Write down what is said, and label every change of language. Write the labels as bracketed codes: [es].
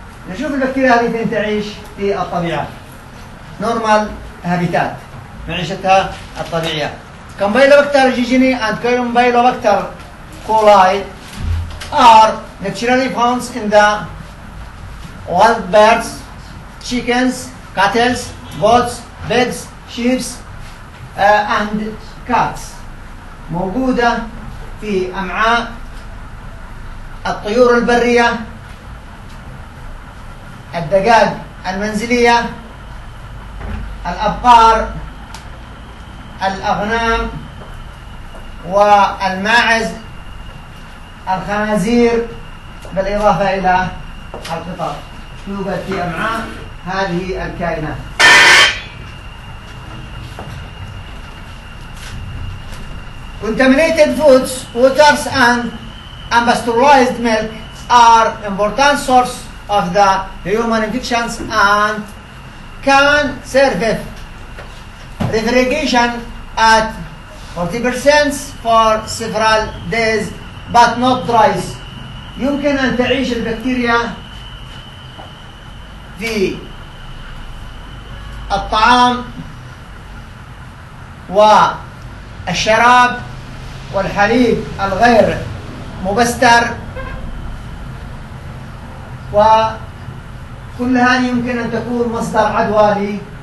[ar] نشوف البكتيريا هذه فين تعيش في الطبيعة. [en] normal habitat, [ar] معيشتها الطبيعية. [en] Campylobacter jejuni and Campylobacter coli are naturally found in the wild birds, chickens, cattle, goats, pigs, sheep and cats. [ar] موجودة في أمعاء الطيور البرية، الدجاج المنزلية، الأبقار، الأغنام، والماعز، الخنازير، بالإضافة إلى القطط. توجد في أمعاء هذه الكائنات. [en] Contaminated foods, waters and unpasteurized milk are important source of the human infections and can serve refrigeration at 40% for several days but not dries. [ar] يمكن أن تعيش البكتيريا في الطعام والشراب والحليب الغير مبستر، و كل هذه يمكن أن تكون مصدر عدوى